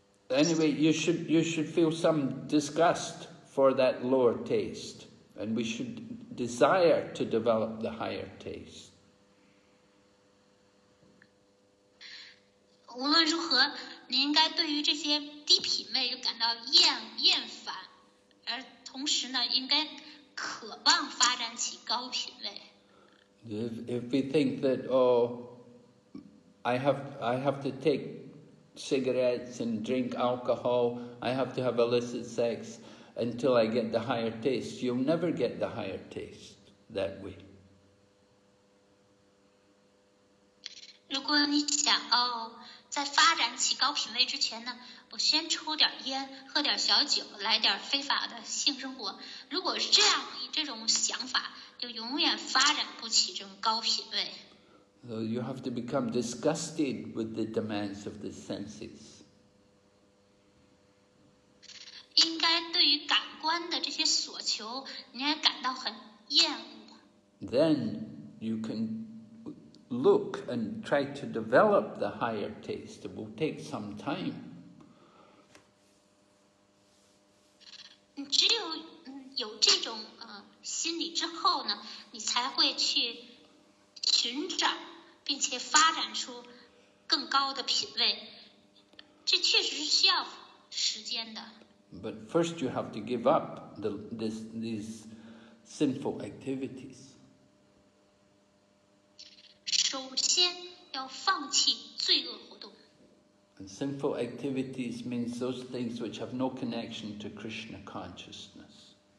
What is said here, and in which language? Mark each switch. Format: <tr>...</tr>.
<en>Anyway, you should feel some disgust for that lower taste, and we should desire to develop the higher taste.</en> <zh>无论如何，你应该对于这些低品味就感到厌烦，而同时呢，应该渴望发展起高品味。</zh> <en>If we think that I have to take cigarettes and drink alcohol, I have to have illicit sex until I get the higher taste. You'll never get the higher taste that way.</en> <zh>如果你想在发展起高品位之前呢，我先抽点烟，喝点小酒，来点非法的性生活。如果是这样，你这种想法就永远发展不起这种高品位。</zh> <en>So you have to become disgusted with the demands of the senses.</en> <zh>应该对于感官的这些所求，你也感到很厌恶。</zh> <en>Then you can look and try to develop the higher taste. It will take some time.</en> <zh>只有有这种心理之后呢，你才会去寻找。并且发展出更高的品位，这确实是需要时间的。</zh> <en>But first, you have to give up these sinful activities.</en> <zh>首先要放弃罪恶活动。</zh> <en>And sinful activities means those things which have no connection to Krishna consciousness.</en>